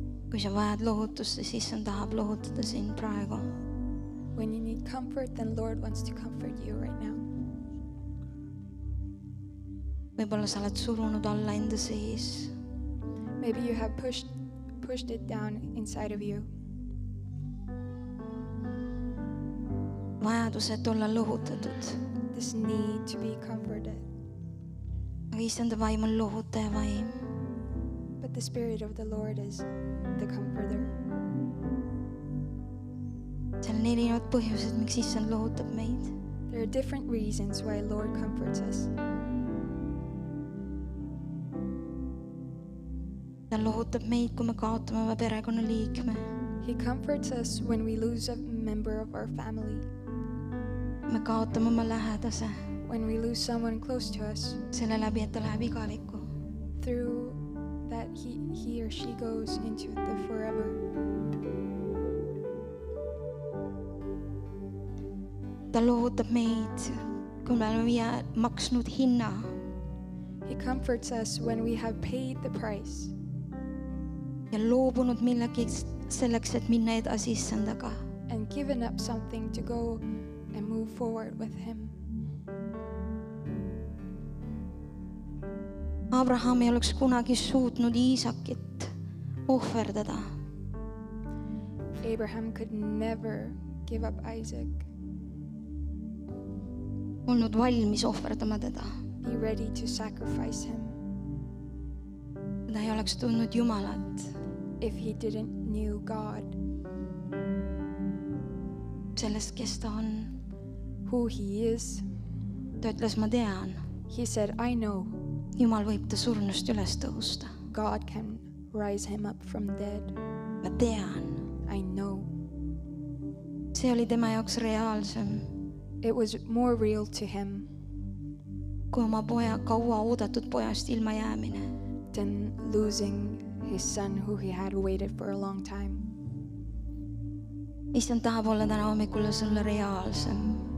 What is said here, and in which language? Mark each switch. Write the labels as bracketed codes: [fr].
[et] Kui sa vajad lohutust, siis on tahab lohutada siin praegu. [en] When you need comfort, then Lord wants to comfort you right now. [et] Võibolla sa oled surunud alla enda sees. [en] Maybe you have pushed it down inside of you. [et] Vajadused olla lohutatud. [en] This need to be comforted. [et] Aga Issanda vaim on lohutaja vaim. [en] But the Spirit of the Lord is the comforter. [et] Seal on erinevad põhjused, miks Issand lohutab meid. [en] There are different reasons why Lord comforts us. [et] Ta lohutab meid, kui me kaotame oma perekonna liikme. [en] He comforts us when we lose a member of our family. [et] Me kaotame oma lähedase. [en] When we lose someone close to us. [et] Selle läbi, et ta läheb igaviku. [en] Through that he or she goes into the forever. [et] Ta lohutab meid, kui me oleme maksnud hinna. [en] He comforts us when we have paid the price. [et] ja loobunud millegi selleks, et minna edasi issandaga. [en] And given up something to go and move forward with him. [et] Abraham ei oleks kunagi suutnud Iisakit ohverdada. [en] Abraham could never give up Isaac. [et] Olnud valmis ohverdama teda. [en] Be ready to sacrifice him. [et] Ta ei oleks tundnud Jumalat. [en] If he didn't knew God. [et] Sellest, kes ta on. [en] Who he is. [et] Ta ütles, ma tean. [en] He said, I know. [et] Jumal võib ta surnust üles tõusta. [en] God can rise him up from dead. [et] Ma tean. [en] I know. [et] See oli tema jaoks reaalsem. [en] It was more real to him. [et] Kui oma poja, kaua oodatud pojast ilma jäämine. [en] Than losing his son who he had waited for a long time. [et] Issand tahab olla täna hommikul sulle reaalsem.